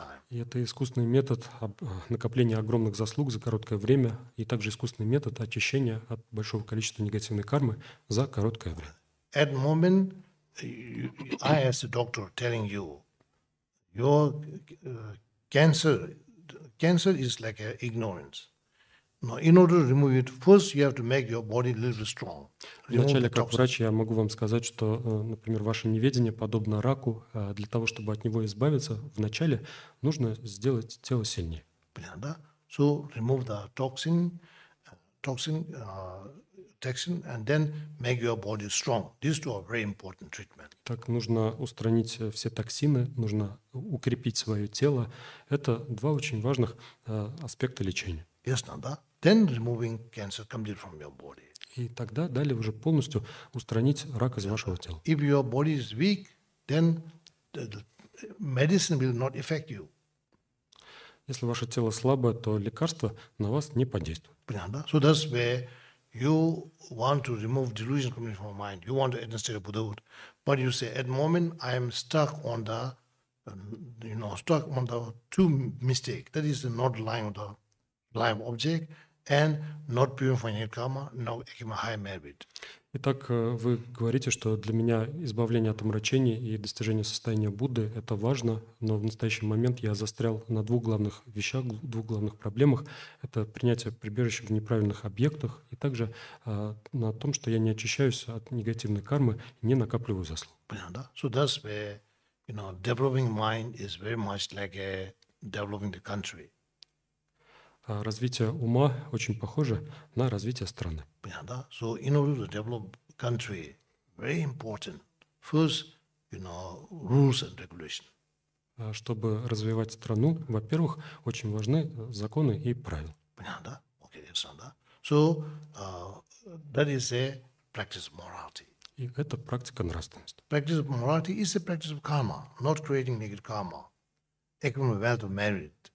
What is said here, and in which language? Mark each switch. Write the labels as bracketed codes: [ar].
[ru] И это искусственный метод накопления огромных заслуг за короткое время, и также искусственный метод очищения от большого количества негативной кармы за короткое время. [en] At moment, I as a doctor telling you, your cancer is like ignorance. Now, in order to remove it, first you have to make your body a little bit strong. [ru] Вначале, как врач, я могу вам сказать, что, например, ваше неведение подобно раку, для того, чтобы от него избавиться, вначале нужно сделать тело сильнее. [en] Понятно? So remove the toxin, and then make your body strong. These two are very important treatments. [ru] Так нужно устранить все токсины, нужно укрепить свое тело. Это два очень важных аспекта лечения. [en] Yes, now, да? Then removing cancer completely from your body. [ru] И тогда далее уже полностью устранить рак из вашего тела. [en] If your body is weak, then the medicine will not affect you. [ru] Если ваше тело слабое, то лекарства на вас не подействуют. Понятно, да? [en] So that's where you want to remove delusion completely from your mind. You want to enter the Buddha. But you say, at the moment, I am stuck on the, you know, stuck on the two mistakes. That is not lying on the blind object. And not purifying karma, no higher merit. [ru] Итак, вы говорите, что для меня избавление от омрачений и достижение состояния Будды – это важно, но в настоящий момент я застрял на двух главных вещах, двух главных проблемах. Это принятие прибежища в неправильных объектах и также на том, что я не очищаюсь от негативной кармы, не накапливаю заслуг. Понятно, да? [en] So that's where, you know, developing mind is very much like developing the country. [ru] Развитие ума очень похоже на развитие страны. Понятно, да? [en] So in order to develop country, very important, first, you know, rules and regulations. [ru] Чтобы развивать страну, во-первых, очень важны законы и правила. Понятно, да? [en] Okay, yes, да? So that is a practice of morality. [ru] И это практика нравственности. [en] Practice of morality is a practice of karma, not creating negative karma, accumulating wealth of merit.